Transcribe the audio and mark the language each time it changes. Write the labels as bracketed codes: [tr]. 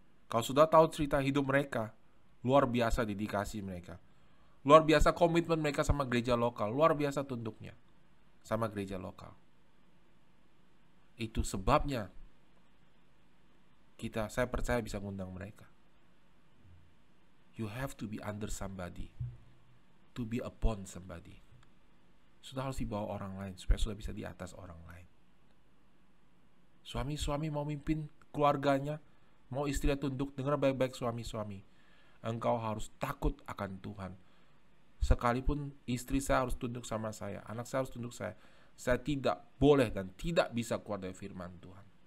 [id] Kalau sudah tahu cerita hidup mereka, luar biasa dedikasi mereka. Luar biasa komitmen mereka sama gereja lokal. Luar biasa tunduknya sama gereja lokal. Itu sebabnya saya percaya bisa mengundang mereka. [en] You have to be under somebody, to be upon somebody. [id] Sudah harus dibawa orang lain supaya sudah bisa di atas orang lain. Suami-suami mau mimpin keluarganya, mau istri tunduk, dengar baik-baik suami-suami. Engkau harus takut akan Tuhan. Sekalipun istri saya harus tunduk sama saya, anak saya harus tunduk saya, saya tidak boleh dan tidak bisa keluar dari firman Tuhan.